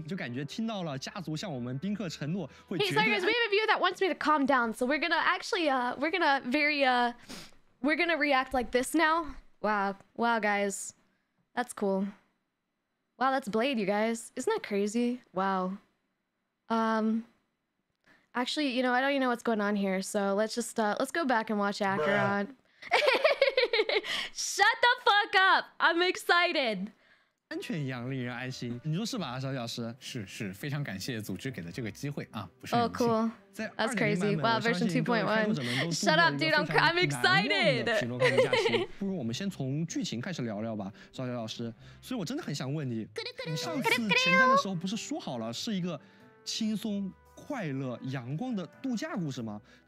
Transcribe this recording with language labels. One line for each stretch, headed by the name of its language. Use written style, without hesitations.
Chinese: 烧鸡老师也是我们的老熟人了,住在这里就很让人安心,就感觉听到了家族向我们宾客承诺会绝对...
English: Hey, sorry, we have a viewer that wants me to calm down, so we're gonna actually, we're gonna very, we're gonna react like this now. Wow. Wow, guys. That's cool. Wow, that's Blade, you guys. Isn't that crazy? Wow. Actually, you know, I don't even know what's going on here, so let's just, let's go back and watch Acheron. Shut the fuck up! I'm excited!
Chinese: 安全一样令人安心,你说是吧,小小师?是,非常感谢组织给的这个机会啊, 不是有幸。
English: Oh, cool. That's crazy. Wow, version 2.1. Shut up, dude, I'm excited!
Chinese: 不如我们先从剧情开始聊聊吧,小小师,所以我真的很想问你,你上次前瞻的时候不是说好了是一个轻松快乐阳光的度假故事吗?